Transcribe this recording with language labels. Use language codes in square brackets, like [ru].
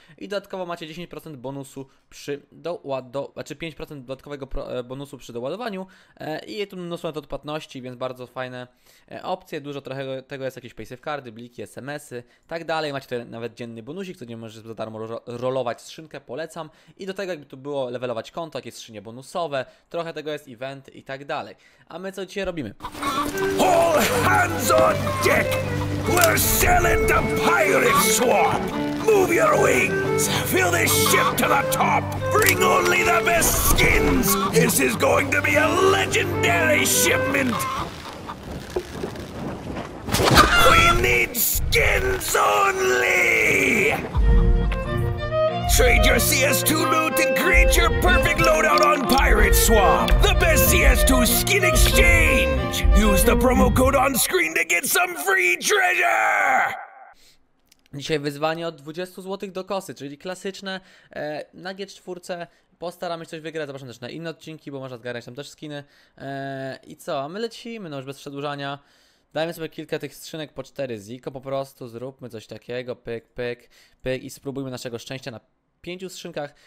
[pl] I dodatkowo macie 10% bonusu przy znaczy 5% dodatkowego bonusu przy doładowaniu i tu mnóstwo nawet odpłatności, więc bardzo fajne opcje, dużo trochę tego jest, jakieś pejsy w karty, bliki, smsy tak dalej, macie tutaj nawet dzienny bonusik, co nie możesz za darmo rolować skrzynkę, polecam, i do tego jakby tu było levelować konto, jakieś skrzynie bonusowe, trochę tego jest, event i tak dalej. A my co dzisiaj robimy? [en] All hands on deck! We're sailing the pirate swamp! Move your wings! Fill this ship to the top! Bring only the best skins! This is going to be a legendary shipment! We need skins only! Trade your CS2 loot and create your perfect loadout on Pirate Swap! The best CS2 skin exchange! Use the promo code on screen to get some free treasure! [pl] Dzisiaj wyzwanie od 20 zł do kosy, czyli klasyczne na G4. Postaramy się coś wygrać, zapraszam też na inne odcinki, bo można zgarnąć tam też skiny. I co, a my lecimy, no już bez przedłużania. Dajmy sobie kilka tych skrzynek po 4 ziko, po prostu zróbmy coś takiego, pyk, pyk, pyk i spróbujmy naszego szczęścia na 5 skrzynkach.